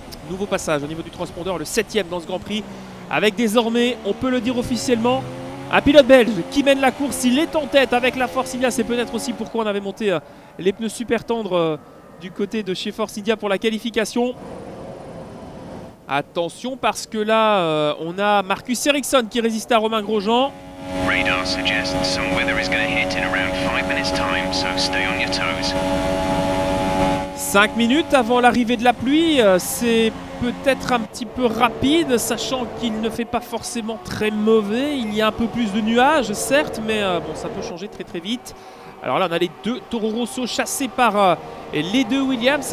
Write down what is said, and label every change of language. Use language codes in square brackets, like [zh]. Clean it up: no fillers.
[fr] Nouveau passage au niveau du transpondeur, le 7e dans ce Grand Prix, avec désormais, on peut le dire officiellement, un pilote belge qui mène la course. Il est en tête avec la Force India, c'est peut-être aussi pourquoi on avait monté les pneus super tendres du côté de chez Force India pour la qualification. Attention, parce que là, on a Marcus Ericsson qui résiste à Romain Grosjean. [en] Radar suggests some weather is going to hit in around 5 minutes time, so stay on your toes. [fr] 5 minutes avant l'arrivée de la pluie, c'est peut-être un petit peu rapide, sachant qu'il ne fait pas forcément très mauvais. Il y a un peu plus de nuages, certes, mais bon, ça peut changer très très vite. Alors là, on a les deux Toro Rosso chassés par les deux Williams.